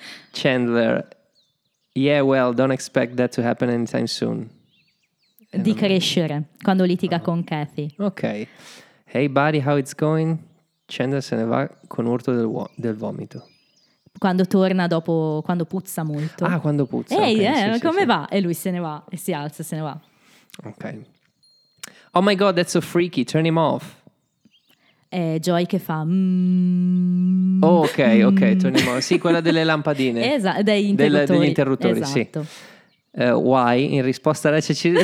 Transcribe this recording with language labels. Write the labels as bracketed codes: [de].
[en] Chandler, yeah, well, don't expect that to happen anytime soon. [it] Di crescere, quando litiga con Kathy. Ok. [en] Hey buddy, how it's going? [it] Chandler se ne va con urto del vomito. Quando torna dopo, quando puzza molto. Ah, quando puzza. Ehi, okay, sì, come sì, va? Sì. E lui se ne va, e si alza, se ne va. Ok. [en] Oh my God, that's so freaky, turn him off. [it] È Joy che fa... [en] Oh, ok, turn him off. [it] Sì, quella delle lampadine. Esatto, dei interruttori. Degli interruttori, esatto. Sì. Why? In risposta alla Cecilia.